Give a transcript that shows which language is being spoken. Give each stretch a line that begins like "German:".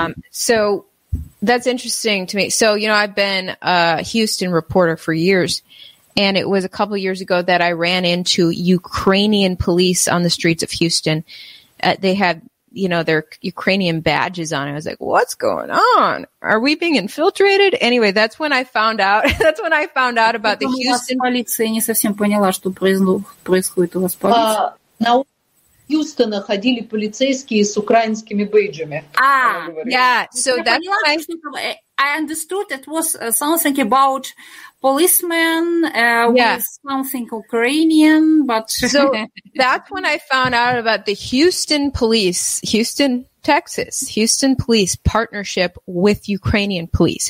English: So that's interesting to me. So, you know, I've been a Houston reporter for years, and it was a couple of years ago that I ran into Ukrainian police on the streets of Houston. They had, you know, their Ukrainian badges on. I was like, what's going on? Are we being infiltrated? Anyway, that's when I found out. That's when I found out about the Houston police.
Russian: Не совсем поняла, что происходит у вас полиция. На Хьюстона ходили полицейские с украинскими бейджами.
English: I understood it was something about policemen with something Ukrainian, but so that's when I found out about the Houston police, Houston, Texas, Houston police partnership with Ukrainian police.